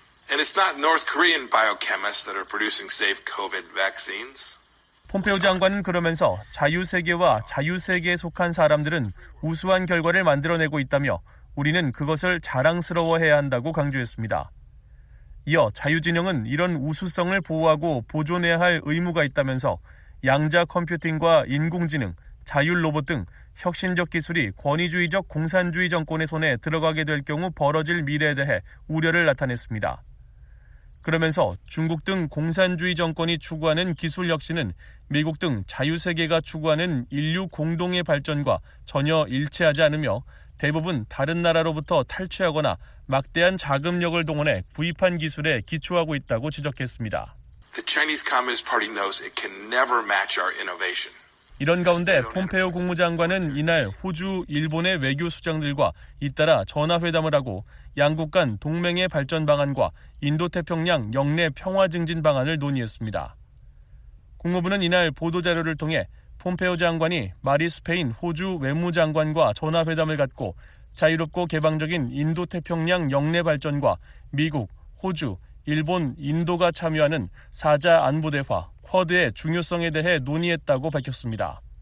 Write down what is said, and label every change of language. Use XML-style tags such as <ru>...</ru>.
<en>And it's not North Korean biochemists that are producing safe COVID vaccines.</en> <ko>폼페오 장관은 그러면서 자유세계와 자유세계에 속한 사람들은 우수한 결과를 만들어내고 있다며 우리는 그것을 자랑스러워해야 한다고 강조했습니다. 이어 자유진영은 이런 우수성을 보호하고 보존해야 할 의무가 있다면서 양자 컴퓨팅과 인공지능, 자율로봇 등 혁신적 기술이 권위주의적 공산주의 정권의 손에 들어가게 될 경우 벌어질 미래에 대해 우려를 나타냈습니다. 그러면서 중국 등 공산주의 정권이 추구하는 기술 혁신은 미국 등 자유세계가 추구하는 인류 공동의 발전과 전혀 일치하지 않으며 대부분 다른 나라로부터 탈취하거나 막대한 자금력을 동원해 구입한 기술에 기초하고 있다고 지적했습니다.</ko> <en>The Chinese Communist Party knows it can never match our innovation.</en> <ko>이런 가운데 폼페오 국무장관은 이날 호주, 일본의 외교 수장들과 잇따라 전화회담을 하고 양국 간 동맹의 발전 방안과 인도태평양 역내 평화 증진 방안을 논의했습니다. 국무부는 이날 보도자료를 통해 폼페오 장관이 마리 스페인 호주 외무장관과 전화회담을 갖고 자유롭고 개방적인 인도태평양 역내 발전과 미국, 호주, 일본, 인도가 참여하는 4자 안보대화, 쿼드의 중요성에 대해 논의했다고 밝혔습니다.</ko>